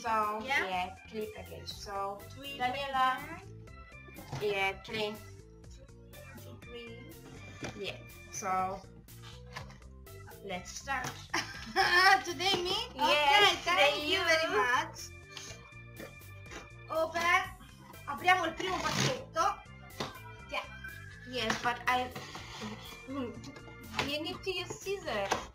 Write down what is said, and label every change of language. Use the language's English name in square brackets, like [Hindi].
[English] So yeah, yeah, three package. So three. Daniela. Yeah, three. Three. Yeah, so let's start. Today me? Yes, okay, thank you very much. Open. [Italian] Apriamo il primo pacchetto. [English] Yeah. Yes, but I... You need to use scissors.